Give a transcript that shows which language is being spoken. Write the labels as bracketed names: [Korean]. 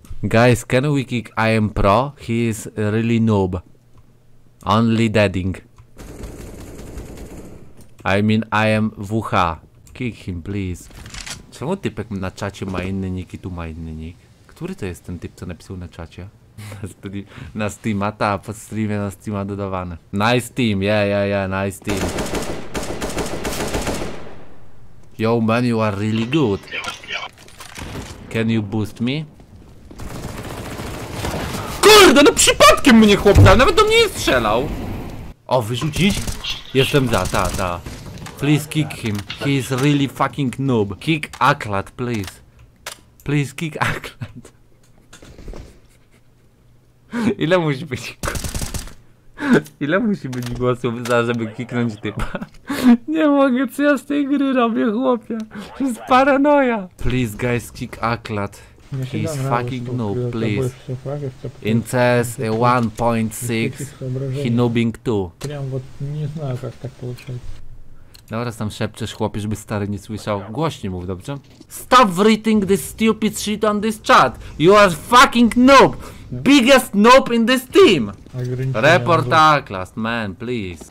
[English] Guys, can we kick I am pro? He is really noob. Only deading. I mean I am WH. Kick him, please. [Polish] Czemu typek na czacie ma inny nick i tu ma inny nick? Który to jest ten typ, co napisał na czacie? Na Steama, ta, po streamie na Steama dodawany. [English] Nice team, yeah, nice team. Yo man, you are really good. Can you boost me? [Polish] Kurde, no przypadkiem mnie chłop dał, nawet do mnie nie strzelał. O, wyrzucić? Jestem za, ta. [English] Please kick him, he is really fucking noob. Kick Aklat, please. Please kick Aklat. [Polish] Ile musi być... Ile musi być głosów za, żeby kicknąć typa? Nie mogę, co ja z tej gry robię, chłopie? To jest paranoja. [English] Please guys, kick Aklat. He's fucking noob, please. In CS 1.6, he noobing too. [Russian] Прям вот не знаю, как так получается. [Polish] Dobra, tam szepczesz, chłopie, żeby stary nie słyszał. Głośniej mów, dobrze? [English] Stop writing this stupid shit on this chat. You are fucking noob. Biggest noob in this team. Report Aklat, man, please.